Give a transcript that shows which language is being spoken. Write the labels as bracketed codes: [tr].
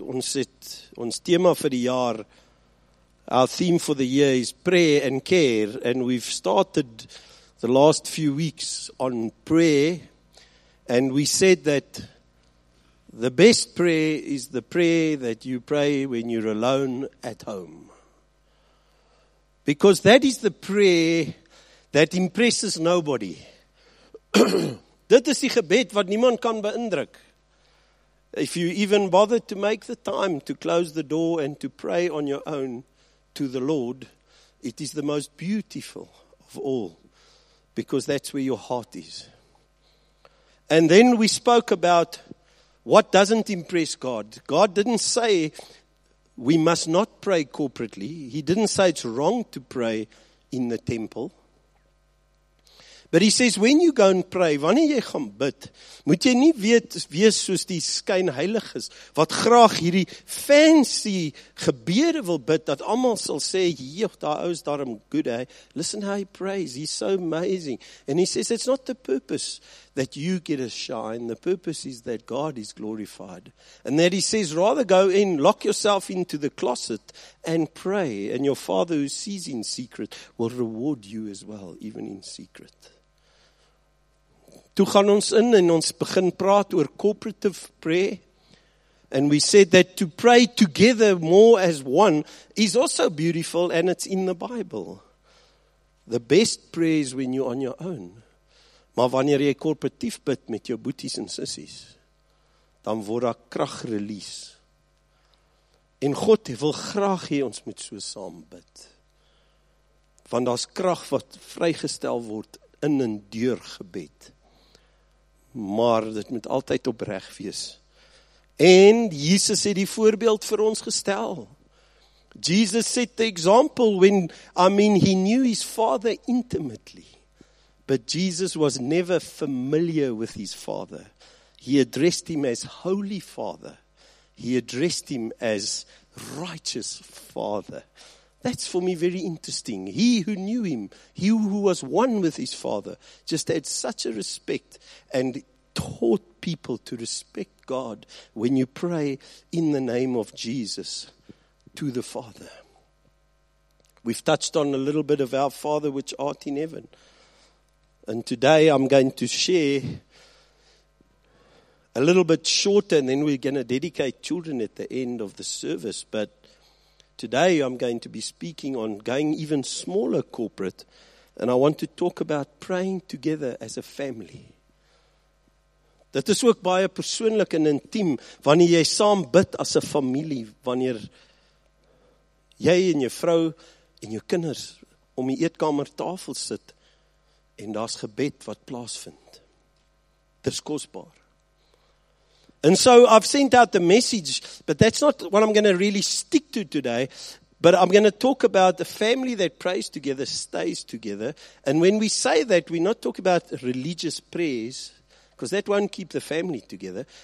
[af] Ons het ons tema vir die jaar, [en] our theme for the year is prayer and care, and we've started the last few weeks on prayer, and we said that the best prayer is the prayer that you pray when you're alone at home. Because that is the prayer that impresses nobody. [af] Dit is die gebed wat niemand kan beïndruk. [en] If you even bother to make the time to close the door and to pray on your own to the Lord, it is the most beautiful of all, because that's where your heart is. And then we spoke about what doesn't impress God. God didn't say we must not pray corporately. He didn't say it's wrong to pray in the temple. But he says, when you go and pray, [af] wanneer jy gaan bid, moet jy nie wees soos die skynheiliges, wat graag hierdie fancy gebede wil bid, dat allemaal sal sê, joh, daar is daarom good, eh? [en] Listen how he prays, he's so amazing. And he says, it's not the purpose that you get a shine, the purpose is that God is glorified. And that he says, rather go in, lock yourself into the closet and pray, and your Father who sees in secret will reward you as well, even in secret. [af] Toe gaan ons in en ons begin praat oor cooperative prayer. [en] And we said that to pray together more as one is also beautiful and it's in the Bible. The best prayer is when you're on your own. [af] Maar wanneer jy korporatief bid met jou boeties en sissies, dan word daar krag release. En God wil graag hê ons moet so saam bid. Want daar's krag wat vrygestel word in en deur gebed. Maar dit moet altyd opreg wees. En Jesus het die voorbeeld vir ons gestel. [en] Jesus set the example when, he knew his Father intimately. But Jesus was never familiar with his Father. He addressed him as Holy Father. He addressed him as Righteous Father. That's for me very interesting. He who knew him, he who was one with his Father, just had such a respect and taught people to respect God when you pray in the name of Jesus to the Father. We've touched on a little bit of our Father which art in heaven. And today I'm going to share a little bit shorter and then we're going to dedicate children at the end of the service. But today I'm going to be speaking on going even smaller corporate and I want to talk about praying together as a family. [af] Dit is ook baie persoonlik en intiem, wanneer jy saam bid as 'n familie, wanneer jy en jou vrou en jou kinders om die eetkamertafel sit, en daar's gebed wat plaasvind. Dit is kosbaar. [en] And so I've sent out the message, but that's not what I'm going to really stick to today, but I'm going to talk about the family that prays together, stays together, and when we say that, we're not talking about religious prayers, because that won't keep the family together.